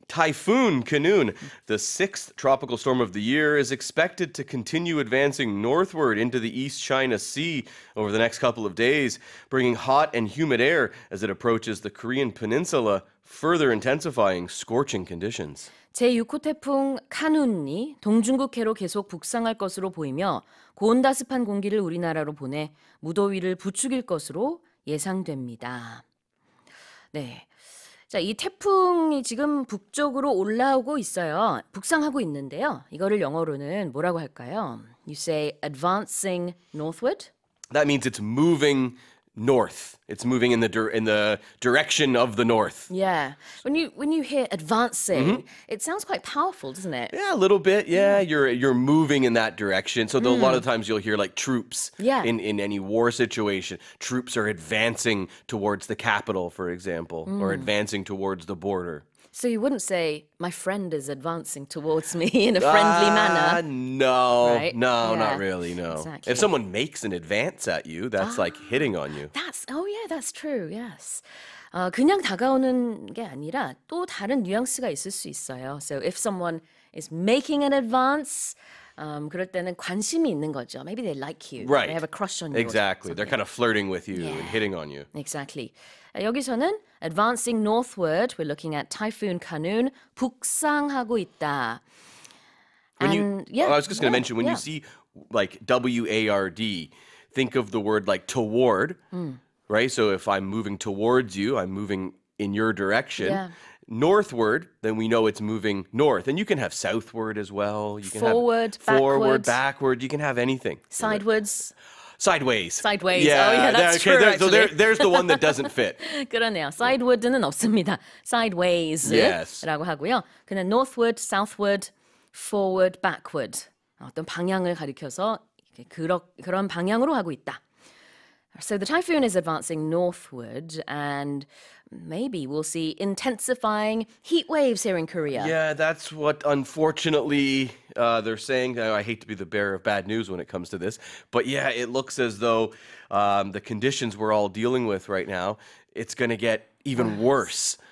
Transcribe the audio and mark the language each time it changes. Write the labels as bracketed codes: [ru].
[en] Typhoon Khanun, the sixth tropical storm of the year, is expected to continue advancing northward into the East China Sea over the next couple of days, bringing hot and humid air as it approaches the Korean Peninsula, further intensifying scorching conditions. [ko] 제6호 태풍 카눈이 동중국해로 계속 북상할 것으로 보이며 고온다습한 공기를 우리나라로 보내 무더위를 부추길 것으로 예상됩니다. 네. 자, 이 태풍이 지금 북쪽으로 올라오고 있어요. 북상하고 있는데요. 이거를 영어로는 뭐라고 할까요? [en] You say advancing northward? That means it's moving north. It's moving in the direction of the north. Yeah. When you hear advancing, mm-hmm. it sounds quite powerful, doesn't it? Yeah, a little bit. Yeah, mm. you're moving in that direction. So a lot of times you'll hear like troops in any war situation, troops are advancing towards the capital, for example, or advancing towards the border. So you wouldn't say my friend is advancing towards me in a friendly manner. No, right? No, yeah. Not really. No. Exactly. If someone makes an advance at you, that's like hitting on you. That's true. Yes. [ko] 그냥 다가오는 게 아니라 또 다른 뉘앙스가 있을 수 있어요. [en] So if someone is making an advance, [ko] 그럴 때는 관심이 있는 거죠. [en] Maybe they like you. Right. They have a crush on you. Exactly. They're kind of flirting with you and hitting on you. Exactly. [ko] 여기서는 [en] advancing northward, we're looking at Typhoon Khanun, [ko] 북상하고 있다. [en] I was just going to mention, when you see like W-A-R-D, think of the word like toward, right? So if I'm moving towards you, I'm moving in your direction. Yeah. Northward, then we know it's moving north. And you can have southward as well. You can forward, backward. You can have anything. Sidewards. Sideways. There's the one that doesn't fit. [ko] 그러네요. Sideward는 없습니다. Sideways. [en] Yes. [ko] 라고 하고요. 그냥 northward, southward, forward, backward. 어떤 방향을 가리켜서 그런 방향으로 하고 있다. [en] So the typhoon is advancing northward and maybe we'll see intensifying heat waves here in Korea. Yeah, that's what unfortunately they're saying. I hate to be the bearer of bad news when it comes to this. But yeah, it looks as though the conditions we're all dealing with right now, it's going to get even worse.